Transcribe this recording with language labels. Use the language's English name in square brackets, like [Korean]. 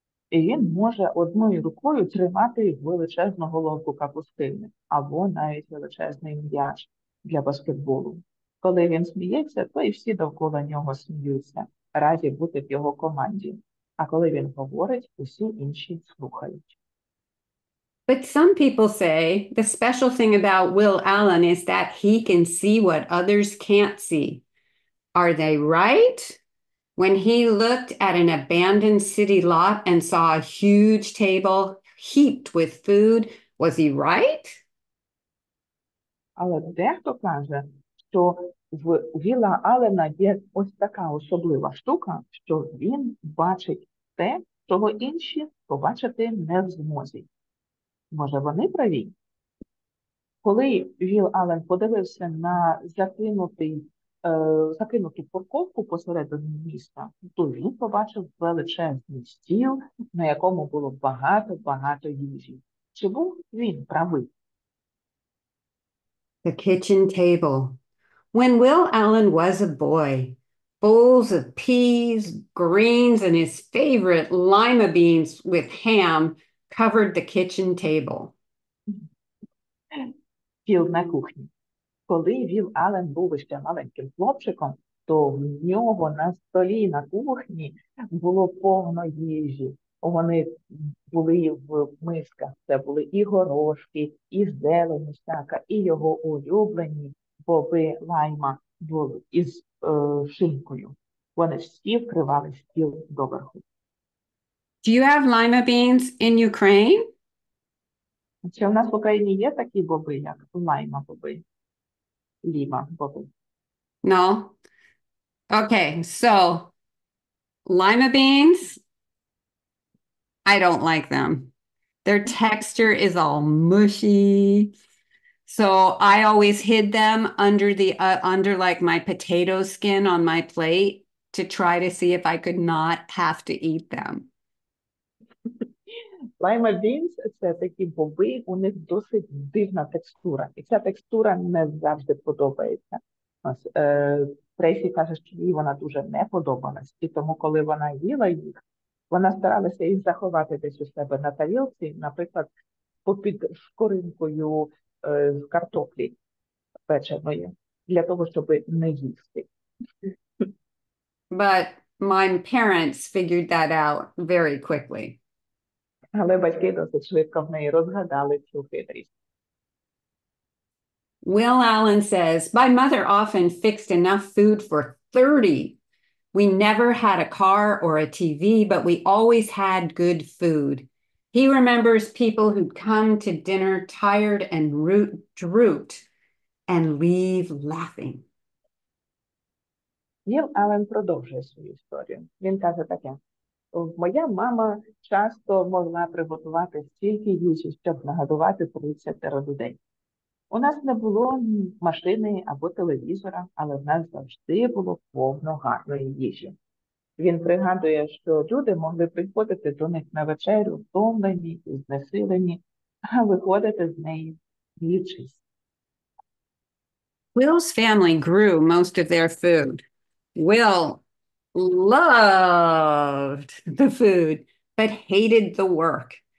[Ukrainian] І він може одною рукою тримати величезну головку капустини або навіть величезний м'яч для баскетболу. Коли він сміється, то і всі довкола нього сміються, раді бути в його команді. А коли він говорить, усі інші слухають. [English] But some people say the special thing about Will Allen is that he can see what others can't see. Are they right? When he looked at an abandoned city lot and saw a huge table heaped with food, was he right? [Ukrainian] Але дехто каже, що в Вілла Аллена є ось така особлива штука, що він бачить те, чого інші побачити не в змозі. Може, вони праві? Коли Вілл Аллен подивився на закинуту парковку посередині міста, то він побачив величезний стіл, на якому було багато-багато їжі. Чи був він правий? [English] The kitchen table. When Will Allen was a boy, bowls of peas, greens, and his favorite lima beans with ham covered the kitchen table. [Ukrainian] Стіл на кухні. Коли Вілл Аллен був ще маленьким хлопчиком, то в нього на столі на кухні було повно їжі. Вони були в мисках. Це були і горошки, і зелень всяка, і його улюблені боби лайма були із шинкою. Вони всі вкривали стіл доверху. [English] Do you have lima beans in Ukraine? [Ukrainian] Чи в нас в Україні є такі боби, як лайма боби? Лима боби. [English] No. Okay, so lima beans, I don't like them. Their texture is all mushy. So I always hid them under the under like my potato skin on my plate to try to see if I could not have to eat them. [Ukrainian] Lima beans, це такі боби, у них досить дивна текстура. І ця текстура не завжди подобається. Трейсі каже, що їй вона дуже не подобалась. І тому, коли вона їла їх, вона старалася їх заховати десь у себе на тарілці, наприклад, попід шкоринкою з картоплі печеної, для того, щоб не їсти. [English] But my parents figured that out very quickly. [Ukrainian] Але батьки досить швидко в неї розгадали цю хитрість. [English] Will Allen says, my mother often fixed enough food for 30. We never had a car or a TV, but we always had good food. He remembers people who'd come to dinner tired and drooped and leave laughing. [Ukrainian] Will Allen продовжує свою історію. Він каже таке. Моя мама часто могла приготувати стільки їжі, щоб нагодувати 30 людей. У нас не було ні машини або телевізора, але в нас завжди було повно гарної їжі. Він пригадує, що люди могли приходити до них на вечерю втомлені і знесилені, а виходити з неї більшість. [English] Will's family grew most of their food. Will loved the food, but hated the work.